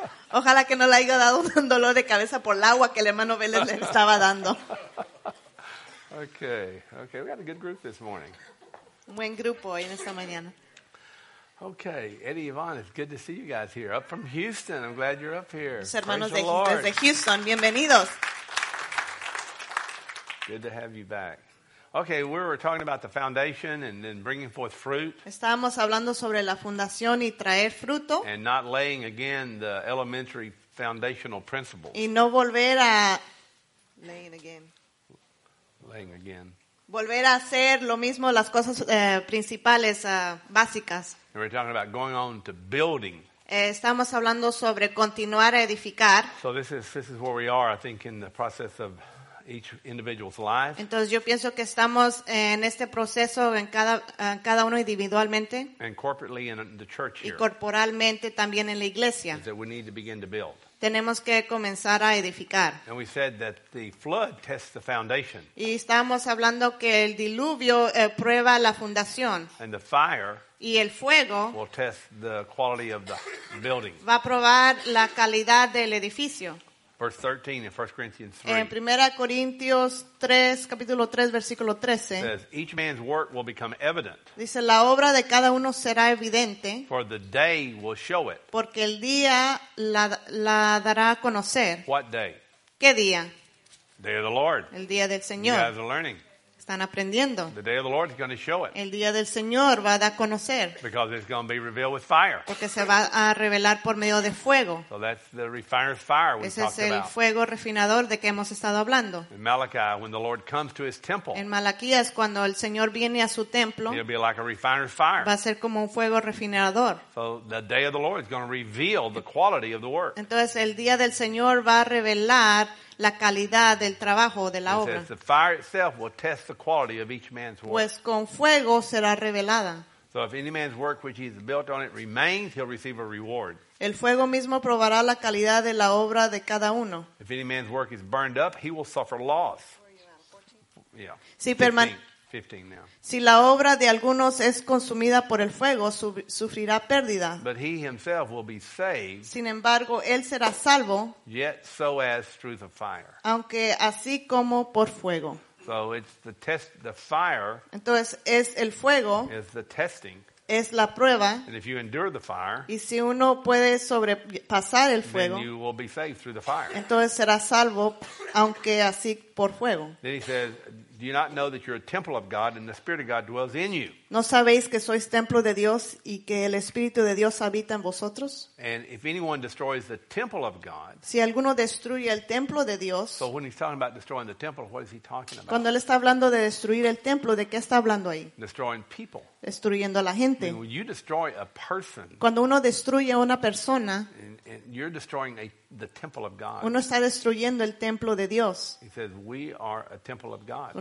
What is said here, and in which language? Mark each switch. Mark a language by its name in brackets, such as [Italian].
[Spanish] Ojalá que no le haya dado un dolor de cabeza por el agua que el hermano Vélez le estaba dando. [English] Okay, we got a good group this morning. [Spanish] Buen grupo hoy en esta mañana. [English] Okay, Eddie Yvonne, it's good to see you guys here. Up from Houston, I'm glad you're up here. [Spanish] Los hermanos de desde Houston, bienvenidos. [English] Good to have you back. Okay, we were talking about the foundation and then bringing forth fruit. [Spanish] Estábamos hablando sobre la fundación y traer fruto. [English] And not laying again the elementary foundational principles. [Spanish] Y no volver a [English] laying again. Laying again. [Spanish] Volver a hacer lo mismo las cosas principales básicas. [English] And we're talking about going on to building. [Spanish] Estamos hablando sobre continuar a edificar. [English] So this is where we are, I think, in the process of each individual's life. [Spanish] Entonces yo pienso que estamos en este proceso en cada uno individualmente. [English] And corporately in the church here. [Spanish] Y corporalmente también en la iglesia. [English] Is that we need to begin to build. [Spanish] Tenemos que comenzar a edificar. [English] And we said that the flood tests the foundation. [Spanish] Y estábamos hablando que el diluvio prueba la fundación. [English] And the fire. [Spanish] Y el fuego. [English] Will test the quality of the building. [Spanish] Va a probar la calidad del edificio. [English] Verse 13 in 1 Corinthians 3. [Spanish] En Primera Corintios 3, capítulo 3, versículo 13. [English] Says, each man's work will become evident. [Spanish] Dice, la obra de cada uno será evidente. [English] For the day will show it. [Spanish] Porque el día la dará a conocer. [English] What day? [Spanish] ¿Qué día? [English] Day of the Lord. [Spanish] El día del Señor. [English] You guys are learning. [Spanish] Están aprendiendo. [English] The day of the Lord is going to show it. [Spanish] El día del Señor va a dar a conocer. [English] Because it's going to be revealed with fire. [Spanish] Porque se va a revelar por medio de fuego. [English] So that's the refiner's fire we talked about. [Spanish] Ese es el fuego refinador de que hemos estado hablando. [English] In Malachi, when the Lord comes to his temple. [Spanish] En Malaquías, cuando el Señor viene a su templo. [English] It'll be like a refiner's fire. [Spanish] Va a ser como un fuego refinador. [English] So the day of the Lord is going to reveal the quality of the work. [Spanish] Entonces el día del Señor va a revelar la calidad del trabajo de la obra. [English] The fire itself will test the quality of each man's work. [Spanish] Pues con fuego será revelada. [English] So if any man's work which he has built on it remains, he'll receive a reward. [Spanish] El fuego mismo probará la calidad de la obra de cada uno. [English] If any man's work is burned up, he will suffer loss. Yeah. [Spanish] Si 15 [English] now. [Spanish] Si la obra de algunos es consumida por el fuego, sufrirá pérdida. [English] But he himself will be saved. [Spanish] Sin embargo, él será salvo. [English] Yet so as through the fire. [Spanish] Aunque así como por fuego. [English] So it's the test, the fire. [Spanish] Entonces es el fuego. [English] Is the testing. [Spanish] Es la prueba. [English] And if you endure the fire. [Spanish] Y si uno puede sobrepasar el fuego. [English] Then you will be saved through the fire. [Spanish] Entonces será salvo, aunque así por fuego. [English] Then he says, do you not know that you're a temple of God and the Spirit of God dwells in you? [Spanish] ¿No sabéis que sois templo de Dios y que el Espíritu de Dios habita en vosotros? [English] And if anyone destroys the temple of God, [Spanish] si alguno destruye el templo de Dios, [English] so when he's talking about destroying the temple, what is he talking about? [Spanish] Cuando él está hablando de destruir el templo, ¿de qué está hablando ahí? [English] Destroying people. [Spanish] Destruyendo a la gente. [English] When you destroy a person, [Spanish] cuando uno destruye a una persona, [English] and you're destroying the temple of God. [Spanish] Uno está destruyendo el templo de Dios. [English] He says, we are a temple of God.